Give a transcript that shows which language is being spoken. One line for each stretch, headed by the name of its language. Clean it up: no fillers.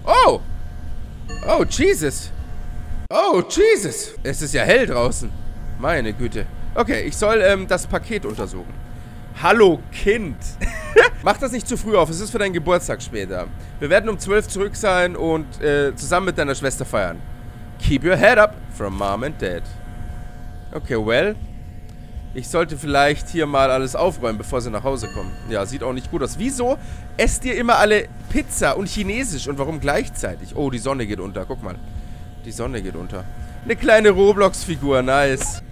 English: Oh, oh, Jesus. Oh, Jesus.
German: Es ist ja hell draußen. Meine Güte. Okay, ich soll das Paket untersuchen. Hallo, Kind. Mach das nicht zu früh auf, es ist für deinen Geburtstag später. Wir werden um 12 zurück sein und zusammen mit deiner Schwester feiern.
English: Keep your head up from Mom and Dad.
German: Okay, well, ich sollte vielleicht hier mal alles aufräumen, bevor sie nach Hause kommen. Ja, sieht auch nicht gut aus. Wieso esst ihr immer alle Pizza und Chinesisch und warum gleichzeitig? Oh, die Sonne geht unter, guck mal. Die Sonne geht unter. Eine kleine Roblox-Figur, nice.